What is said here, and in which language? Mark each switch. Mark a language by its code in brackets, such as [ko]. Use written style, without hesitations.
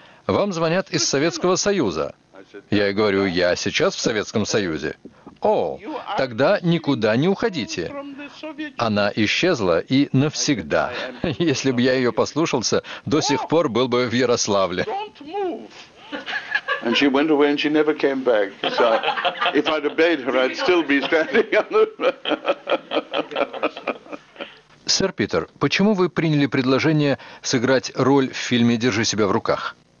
[ru] «Вам звонят из Советского Союза». Я ей говорю: «Я сейчас в Советском Союзе». «О, тогда никуда не уходите». Она исчезла и навсегда. Если бы я ее послушался, до сих пор был бы в Ярославле. [en] And she went away and she never came back. So if I'd obeyed her, I'd still be standing on the... [ru] Сэр Питер, почему вы приняли предложение сыграть роль в фильме «Держи себя в руках»?